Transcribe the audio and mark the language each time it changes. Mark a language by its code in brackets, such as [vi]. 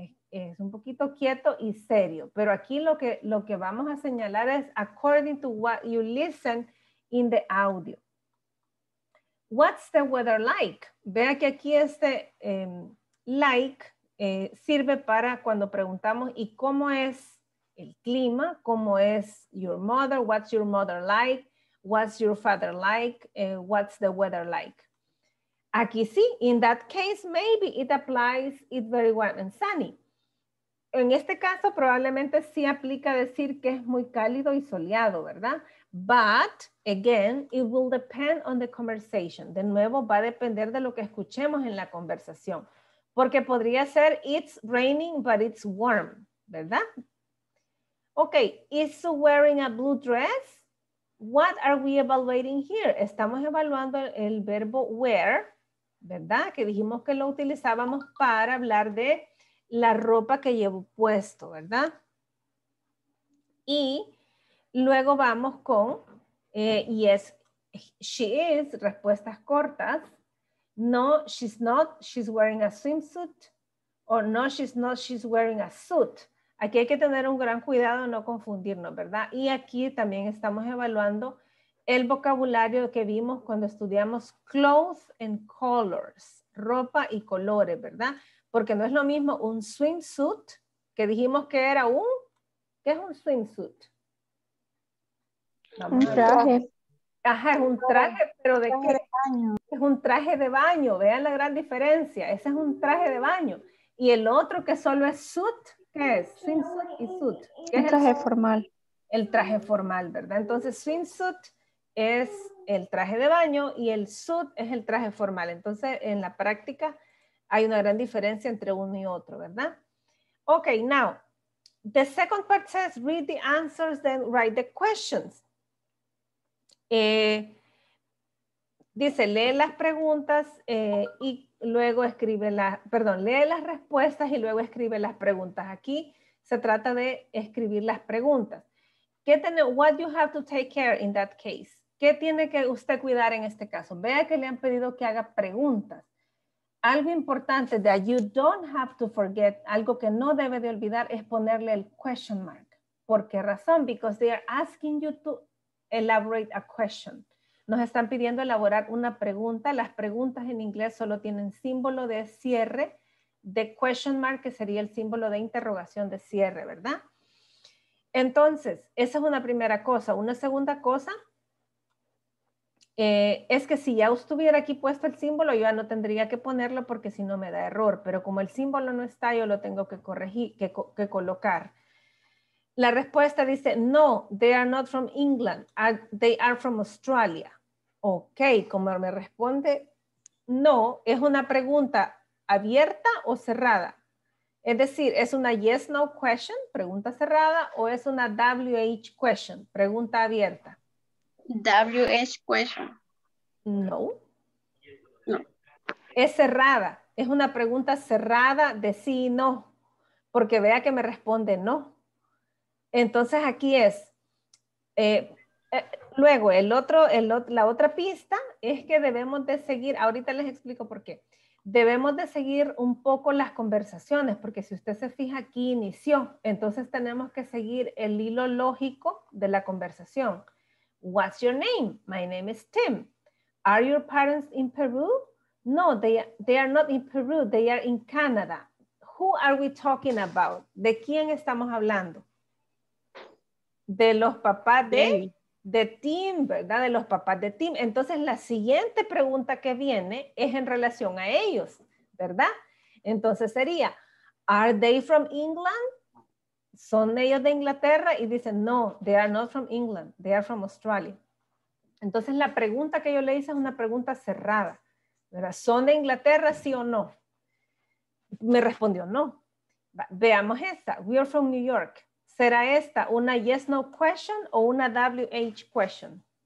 [es] Es un poquito quieto y serio, pero aquí lo que vamos a señalar es [en] according to what you listen in the audio. What's the weather like? [es] Vea que aquí este like sirve para cuando preguntamos ¿y cómo es el clima? ¿Cómo es [en] your mother? What's your mother like? What's your father like? What's the weather like? [es] Aquí sí, [en] in that case, maybe it applies, it's very warm and sunny. [es] En este caso, probablemente sí aplica decir que es muy cálido y soleado, ¿verdad? [en] But, again, it will depend on the conversation. [es] De nuevo, va a depender de lo que escuchemos en la conversación. Porque podría ser, [en] it's raining, but it's warm, [es] ¿verdad? [en] Okay, is wearing a blue dress? What are we evaluating here? [es] Estamos evaluando el verbo wear, ¿verdad? Que dijimos que lo utilizábamos para hablar de la ropa que llevo puesto, ¿verdad? Y luego vamos con, [en] yes, she is, [es] respuestas cortas. [en] No, she's not, she's wearing a swimsuit. O no, she's not, she's wearing a suit. [es] Aquí hay que tener un gran cuidado, no confundirnos, ¿verdad? Y aquí también estamos evaluando el vocabulario que vimos cuando estudiamos [en] clothes and colors, [es] ropa y colores, ¿verdad? Porque no es lo mismo un swimsuit, que dijimos que era un, ¿qué es un swimsuit? Un traje. Ajá, es un traje, pero ¿de qué? Es un traje de baño, vean la gran diferencia, ese es un traje de baño. Y el otro que solo es suit, ¿qué es? Swimsuit y suit. ¿Qué es el traje formal? El traje formal, ¿verdad? Entonces, swimsuit es el traje de baño y el suit es el traje formal. Entonces, en la práctica hay una gran diferencia entre uno y otro, ¿verdad? [en] Ok, now, the second part says, read the answers, then write the questions. [es] Dice, lee las preguntas y luego escribe las, perdón, lee las respuestas y luego escribe las preguntas. Aquí se trata de escribir las preguntas. ¿Qué tiene, [en] what you have to take care in that case? [es] ¿Qué tiene que usted cuidar en este caso? Vea que le han pedido que haga preguntas. Algo importante, [en] that you don't have to forget, [es] algo que no debe de olvidar es ponerle el question mark. ¿Por qué razón? [en] Because they are asking you to elaborate a question. [es] Nos están pidiendo elaborar una pregunta. Las preguntas en inglés solo tienen símbolo de cierre, de question mark, que sería el símbolo de interrogación de cierre, ¿verdad? Entonces, esa es una primera cosa. Una segunda cosa es que si ya estuviera aquí puesto el símbolo, yo ya no tendría que ponerlo porque si no me da error. Pero como el símbolo no está, yo lo tengo que corregir, que colocar. La respuesta dice, [en] no, they are not from England, they are from Australia. [es] Ok, como me responde, no, es una pregunta abierta o cerrada. Es decir, es una yes, no question, pregunta cerrada, o es una WH question, pregunta abierta. [en] WH question. [es] No. No. Es cerrada, es una pregunta cerrada de sí y no, porque vea que me responde no. Entonces aquí es, luego la otra pista es que debemos de seguir, ahorita les explico por qué, debemos de seguir un poco las conversaciones, porque si usted se fija aquí inició, entonces tenemos que seguir el hilo lógico de la conversación. [en] What's your name? My name is Tim. Are your parents in Peru? No, they are not in Peru, they are in Canada. Who are we talking about? [es] ¿De quién estamos hablando? De los papás de Tim, ¿verdad? De los papás de Tim. Entonces, la siguiente pregunta que viene es en relación a ellos, ¿verdad? Entonces sería, [en] ¿are they from England? [es] ¿Son ellos de Inglaterra? Y dicen, [en] no, they are not from England, they are from Australia. [es] Entonces, la pregunta que yo le hice es una pregunta cerrada, ¿verdad? ¿Son de Inglaterra, sí o no? Me respondió, no. Veamos esta, [en] we are from New York. [es] ¿Será esta una yes, no question o una WH question?